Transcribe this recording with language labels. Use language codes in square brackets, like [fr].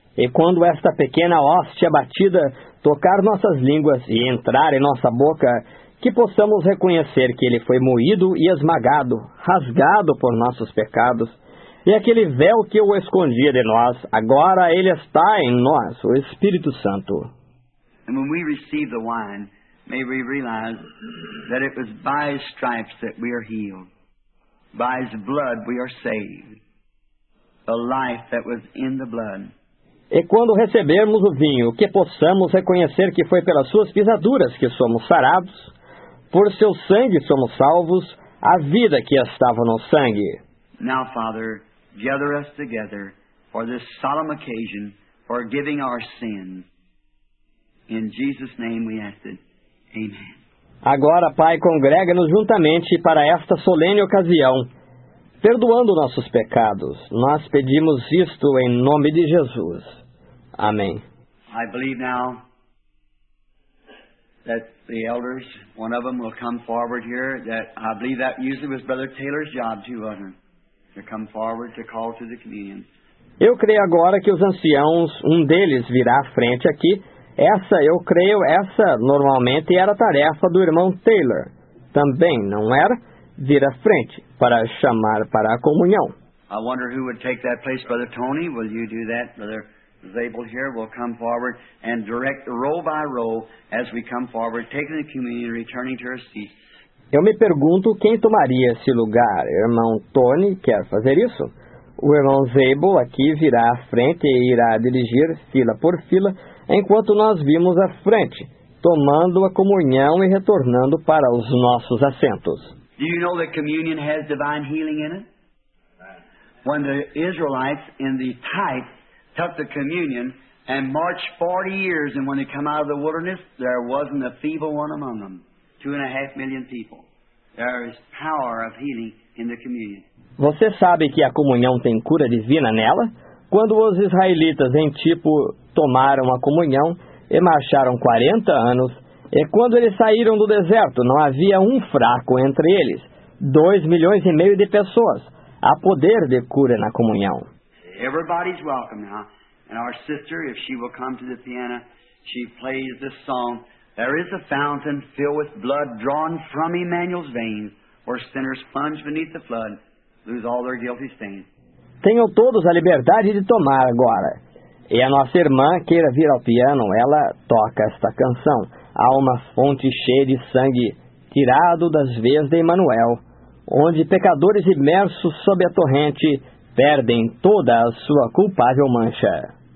[pt] E quando esta pequena hóstia batida tocar nossas línguas e entrar em nossa boca, que possamos reconhecer que ele foi moído e esmagado, rasgado por nossos pecados, e aquele véu que o escondia de nós, agora ele está em nós, o Espírito Santo. [en] And when we receive the wine, may we realize that it was by His stripes that we are healed. By his blood we are saved. The life that was in the blood. [pt] E quando recebermos o vinho, que possamos reconhecer que foi pelas suas pisaduras que somos sarados, por seu sangue somos salvos, a vida que estava no sangue. [en] Now, Father, gather us together for this solemn occasion, forgiving our sins. In Jesus' name we ask it. Amen. [pt] Agora, Pai, congrega-nos juntamente para esta solene ocasião, perdoando nossos pecados. Nós pedimos isto em nome de Jesus. Amém. [en] I believe now that the elders, one of them will come forward here, that I believe that usually was Brother Taylor's job too, wasn't it? To come forward to call to the communion. [pt] Eu creio agora que os anciãos, um deles virá à frente aqui. Essa, eu creio, essa normalmente era a tarefa do irmão Taylor. Também, não era? Vir à frente para chamar para a comunhão. [en] I wonder who would take that place, Brother Tony. Will you do that? Brother Zabel here will come forward and direct row by row as we come forward, taking the communion, returning to our seats. [pt] Eu me pergunto quem tomaria esse lugar. Irmão Tony quer fazer isso? O irmão Zabel aqui virá à frente e irá dirigir fila por fila, enquanto nós vimos à frente, tomando a comunhão e retornando para os nossos assentos. [en] Do you know that communion has divine healing in it? When the Israelites in the tithe took the communion and marched 40 years, and when they come out of the wilderness, there wasn't a feeble one among them. 2.5 million people. There is power of healing in the communion. [pt] Você sabe que a comunhão tem cura divina nela? Quando os israelitas em tipo tomaram a comunhão e marcharam 40 anos, e quando eles saíram do deserto, não havia um fraco entre eles. 2.5 milhões de pessoas. Há poder de cura na comunhão. [en] Everybody's welcome now. And our sister, if she will come to the piano, she plays this song. There is a fountain filled with blood drawn from Emmanuel's veins, where sinners plunge beneath the flood, lose all their guilty stains. [pt] Tenham todos a liberdade de tomar agora. E a nossa irmã queira vir ao piano, ela toca esta canção. Há uma fonte cheia de sangue, tirado das veias de Emmanuel, onde pecadores imersos sob a torrente perdem toda a sua culpável mancha.